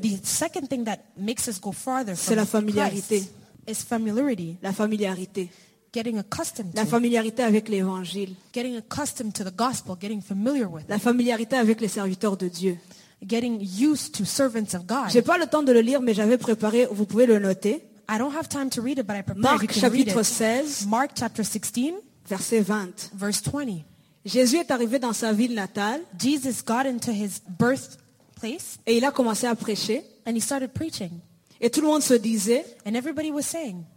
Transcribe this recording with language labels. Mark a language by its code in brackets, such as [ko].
[en] the second thing that makes us go farther from [fr] c'est la familiarité. [en] Christ is familiarity. [fr] La familiarité. [en] Getting accustomed to. [fr] La familiarité avec l'évangile. [en] Getting accustomed to the gospel, getting familiar with. [fr] La familiarité avec les serviteurs de Dieu. [en] Getting used to servants of God. [fr] J'ai pas le temps de le lire, mais j'avais préparé, vous pouvez le noter. [en] I don't have time to read it, but I prepared. [fr] Marc chapitre 16, [en] Mark chapter 16, [fr] verset 20. [en] Verse 20. [fr] Jésus est arrivé dans sa ville natale. [en] Jesus got into his birthplace. [fr] Et il a commencé à prêcher. [en] And he started preaching. [fr] Et tout le monde se disait. [en] And everybody was saying.